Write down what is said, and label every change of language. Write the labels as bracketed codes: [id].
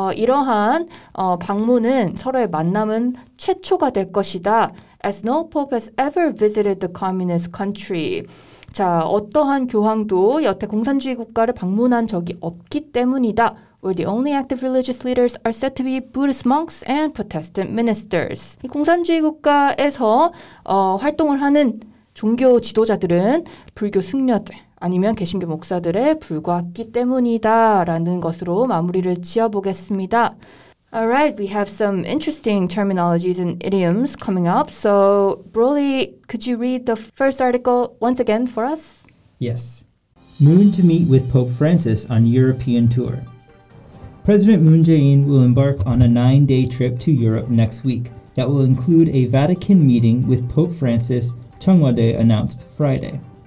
[ko] 이러한 방문은 서로의 만남은 최초가 될 것이다. [en] As no pope has ever visited the communist country. [ko] 자, 어떠한 교황도 여태 공산주의 국가를 방문한 적이 없기 때문이다. [en] Where the only active religious leaders are said to be Buddhist monks and Protestant ministers. [ko] 이 공산주의 국가에서 활동을 하는 종교 지도자들은 불교 승려들 아니면 개신교 목사들에 불과했기 때문이다 라는 것으로 마무리를 지어보겠습니다. [en] Alright, we have some interesting terminologies and idioms coming up. So, Broly, could you read the first article once again for us? Yes. Moon to meet with Pope Francis on European tour. President Moon Jae-in will embark on a 9-day trip to Europe next week that will include a Vatican meeting with Pope Francis, Chungwade announced Friday.